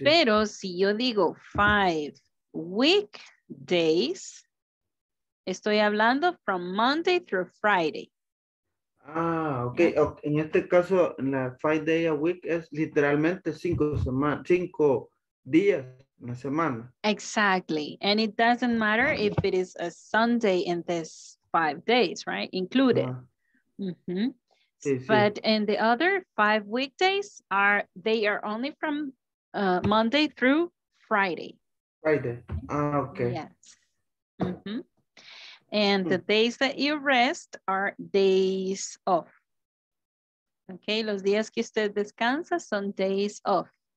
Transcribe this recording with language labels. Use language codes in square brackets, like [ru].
[es] Pero si yo digo 5 weekdays, estoy hablando [en] from Monday through Friday. Okay. [es] En este caso, la [en] 5 days a week [es] es literalmente 5 días. Una semana. [en] Exactly. And it doesn't matter if it is a Sunday in this 5 days, right? Included. But in the other 5 weekdays, they are only from Monday through Friday. Okay. Yes. And the days that you rest are days off. Okay. [es] Los días que usted descansa son days off.